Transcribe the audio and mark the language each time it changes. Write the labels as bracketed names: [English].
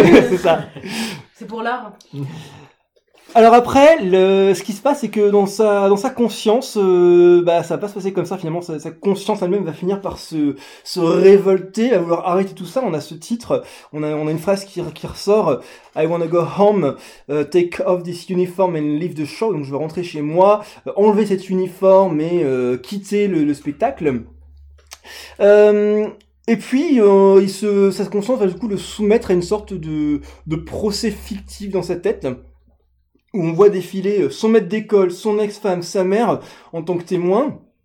[French] C'est ça. C'est pour l'art. Alors après, ce qui se passe, c'est que dans sa conscience, ça va pas se passer comme ça. Finalement, sa conscience elle-même va finir par se révolter, à vouloir arrêter tout ça. On a ce titre, on a une phrase qui ressort. [English] I wanna go home, take off this uniform and leave the show. [French] Donc je veux rentrer chez moi, enlever cet uniforme et quitter le spectacle. Et puis, sa conscience va du coup le soumettre à une sorte de procès fictif dans sa tête, où on voit défiler son maître d'école, son ex-femme, sa mère, en tant que témoin.